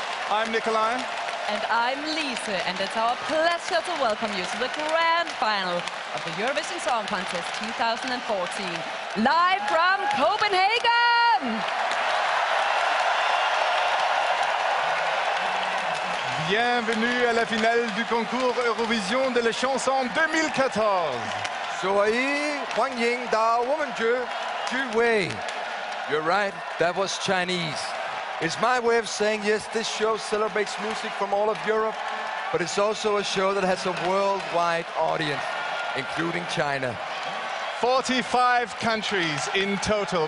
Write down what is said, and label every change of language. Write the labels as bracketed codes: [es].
[en] I'm Nikolai. And I'm Lise, and it's our pleasure to welcome you to the grand final of the Eurovision Song Contest 2014, live from Copenhagen! [fr] Bienvenue à la finale du concours Eurovision de la chanson 2014. Soyez Huangying Da Woman Ju Ju Wei. [en] You're right, that was Chinese. It's my way of saying, yes, this show celebrates music from all of Europe. But it's also a show that has a worldwide audience, including China. 45 countries in total.